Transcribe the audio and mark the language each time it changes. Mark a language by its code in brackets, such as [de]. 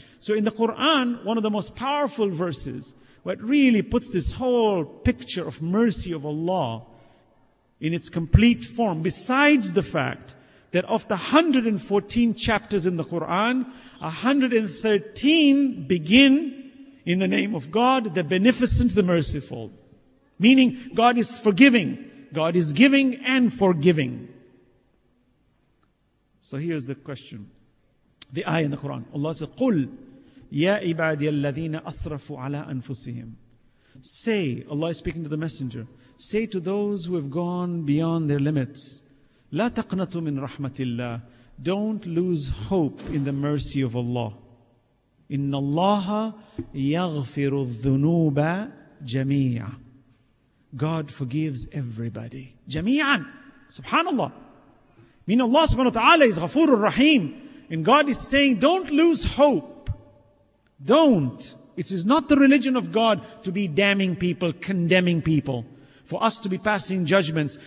[en] So in the Quran, one of the most powerful verses, what really puts this whole picture of mercy of Allah in its complete form, besides the fact that of the 114 chapters in the Quran, 113 begin in the name of God, the Beneficent, the Merciful. Meaning God is forgiving. God is giving and forgiving. So here's the question. The ayah in the Quran. Allah says, [ar] قُلْ يَا عِبَادِيَ الَّذِينَ أَصْرَفُوا عَلَىٰ أَنفُسِهِمْ. [en] Say, Allah is speaking to the messenger, say to those who have gone beyond their limits, [ar] لا تقنطوا من رحمة الله. [en] Don't lose hope in the mercy of Allah. [ar] إن الله يغفر الذنوب جميعا. [en] God forgives everybody. جميعا. Subhanallah. Mean Allah subhanahu wa ta'ala is غفور الرحيم. And God is saying, don't lose hope. Don't. It is not the religion of God to be damning people, condemning people, for us to be passing judgments.